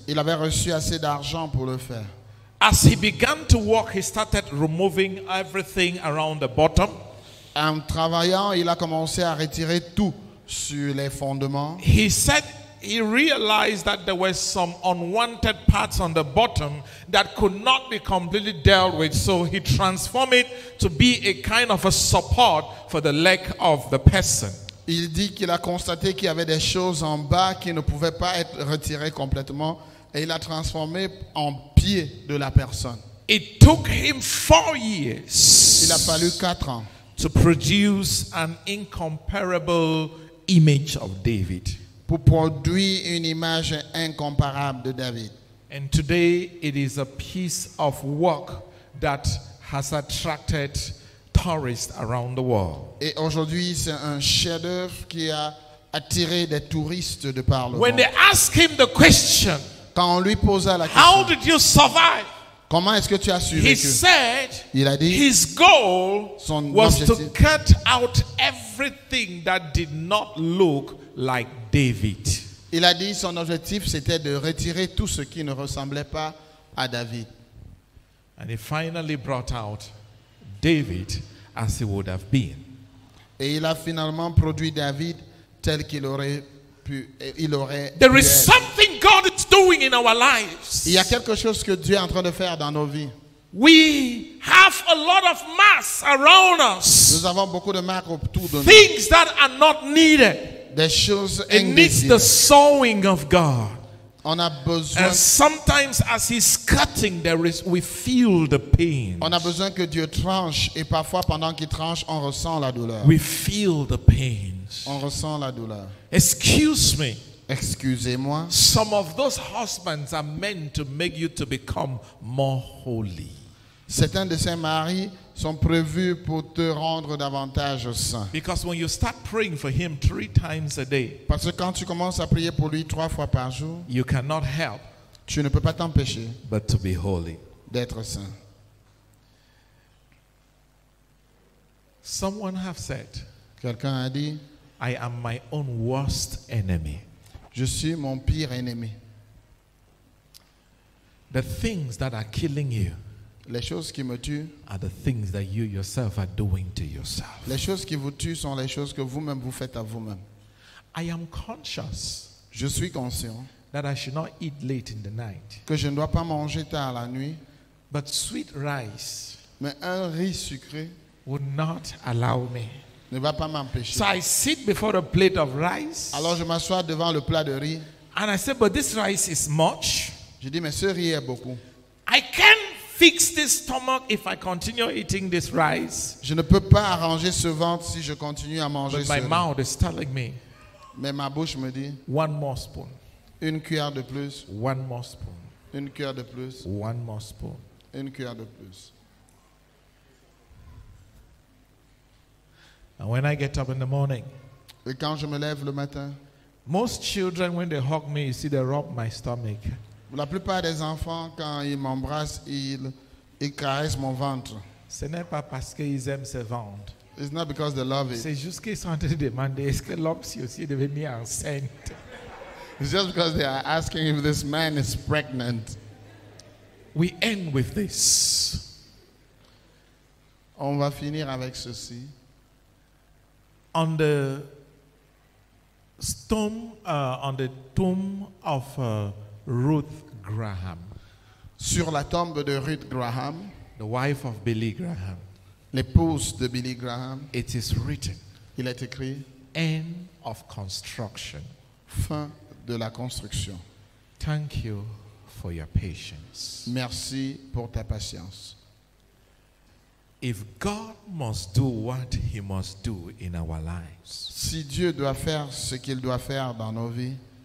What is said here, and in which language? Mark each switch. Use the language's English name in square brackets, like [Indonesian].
[French] Il avait reçu assez d'argent pour le faire. [English] As he began to work, he started removing everything around the bottom. [French] En travaillant, il a commencé à retirer tout sur les fondements. [English] He said he realized that there were some unwanted parts on the bottom that could not be completely dealt with, so he transformed it to be a kind of a support for the leg of the person. [French] Il dit qu'il a constaté qu'il y avait des choses en bas qui ne pouvaient pas être retirées complètement et il a transformé en pied de la personne. [English] It took him 4 years. [French] Il a fallu 4 ans. [English] To produce an incomparable image of David. [French] Pour produire une image incomparable de David. [English] And today it is a piece of work that has attracted tourists around the world. [French] Et aujourd'hui, c'est un chef-d'œuvre qui a attiré des touristes de par le monde. [English] When they ask him the question, [French] quand on lui posa la [English] question, how did you survive? [French] Comment est-ce que tu as survécu? [English] He said, [French] il a dit, [English] his goal [French] son [English] was to cut out everything that did not look like David. [French] Il a dit son objectif c'était de retirer tout ce qui ne ressemblait pas à David. [English] And he finally brought out David as he would have been. [French] Et il a finalement produit David tel qu'il aurait pu, il aurait [English] there is something God is doing in our lives. [French] Il y a quelque chose que Dieu est en train de faire dans nos vies. [English] We have a lot of mass around us. [French] Nous avons beaucoup de marques autour de nous. [English] Things that are not needed. [French] Des choses [English] it needs the sowing of God. [French] On a besoin. [English] And sometimes, as He's cutting, we feel the pain. [French] On a besoin que Dieu tranche, et parfois, pendant qu'il tranche, on ressent la douleur. [English] We feel the pains. [French] On ressent la douleur. [English] Excuse me. [French] Excusez-moi. [English] Some of those husbands are meant to make you to become more holy. [French] Certains de ces maris sont prévus pour te rendre davantage saint. [English] Because when you start praying for him 3 times a day, [French] parce que quand tu commences à prier pour lui 3 fois par jour, [English] you cannot help, [French] tu ne peux pas t'empêcher, [English] but to be holy, [French] d'être saint. [English] Someone have said, [French] quelqu'un a dit, [English] I am my own worst enemy. [French] Je suis mon pire ennemi. [English] The things that are killing you. [French] Les choses qui me tuent [English] are the things that you yourself are doing to yourself. [French] Les choses qui vous tuent sont les choses que vous-même vous faites à vous-même. [English] I am conscious. [French] Je suis conscient [English] that I should not eat late in the night. [French] Que je ne dois pas manger tard la nuit. [English] But sweet rice. [French] Mais un riz sucré [English] would not allow me. [French] Ne va pas m'empêcher. [English] So I sit before a plate of rice. [French] Alors je m'assois devant le plat de riz. [English] And I say, but this rice is much. [French] Je dis, mais ce riz est beaucoup. [English] I can't fix this stomach if I continue eating this rice. [French] Je ne peux pas arranger ce ventre si je continue à manger ce riz. [English] But my mouth is telling me. [French] Mais ma bouche me dit. [English] One more spoon. [French] Une cuillère de plus. [English] One more spoon. [French] Une cuillère de plus. [English] One more spoon. [French] Une cuillère de plus. [English] And when I get up in the morning. [French] Et quand je me lève le matin. [English] Most children when they hug me, you see they rub my stomach. [French] La plupart des enfants, quand ils m'embrassent, ils caressent mon ventre. Ce n'est pas parce qu'ils aiment ce ventre. [English] It's not because they love it. [French] C'est juste qu'ils sont en train de demander est-ce que l'homme si aussi est devenu enceinte. [English] It's just because they are asking if this man is pregnant. We end with this. [French] On va finir avec ceci. [English] On the stone, on the tomb of Ruth Graham. [French] Sur la tombe de Ruth Graham, [English] the wife of Billy Graham, [French] l'épouse de Billy Graham, [English] it is written, [French] il est écrit, [English] end of construction, [French] fin de la construction. [English] Thank you for your patience. [French] Merci pour ta patience. [English] If God must do what he must do in our lives, [French] si Dieu doit faire ce qu'il doit faire dans nos vies,